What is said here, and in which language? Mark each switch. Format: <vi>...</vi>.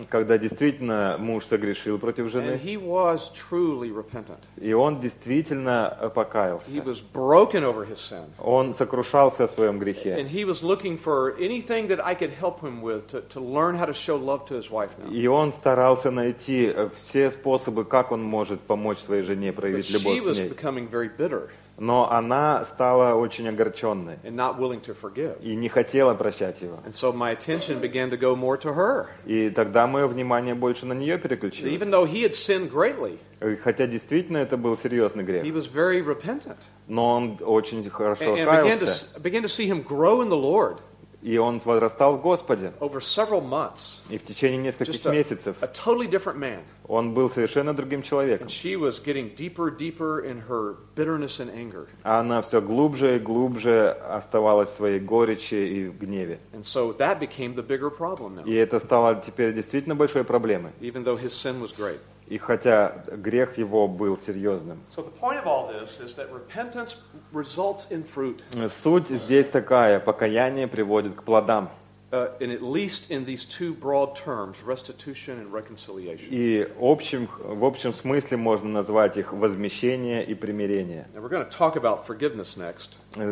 <ru>Когда действительно муж согрешил против жены.</ru> <en>And he was truly repentant.</en> <ru>И он действительно покаялся.</ru> <en>He was broken over his sin.</en> <ru>Он сокрушался о своем грехе.</ru> <en>And he was looking for anything that I could help him with to learn how to show love to his wife now.</en> <ru>И он старался найти все способы, как он может помочь своей жене проявить любовь к ней.</ru> <en>But she was becoming very bitter.</en> <ru>Но она стала очень огорченной и не хотела прощать его.</ru> <en>And so my attention began to go more to her.</en> <ru>И тогда мое внимание больше на нее переключилось.</ru> <en>Even though he had sinned greatly,</en> <ru>хотя действительно это был серьезный грех,</ru> <en>he was very repentant.</en> <ru>Но он очень хорошо каялся.</ru> <en>And began to see him grow in the Lord.</en> <ru>И он возрастал в Господе.</ru> <en>Over several months,</en> <ru>и в течение нескольких</ru> <en>just a,</en> <ru>месяцев</ru> <en>a totally different man.</en> <ru>Он был совершенно другим человеком.</ru> <en>And she was getting deeper, deeper in her bitterness and anger.</en> <ru>А она все глубже и глубже оставалась в своей горечи и в гневе.</ru> <en>And so that became the bigger problem now.</en> <ru>И это стало теперь действительно большой проблемой.</ru> <en>Even though his sin was great.</en> <ru>И хотя грех его был серьезным.</ru> <en>So the point of all this is that repentance results in fruit.</en> <ru>Суть здесь такая: покаяние приводит к плодам.</ru> <en>And at least in these two broad terms, restitution and reconciliation.</en> <ru>И в общем смысле можно назвать их возмещение и примирение.</ru> <en>And we're going to talk about forgiveness next.</en>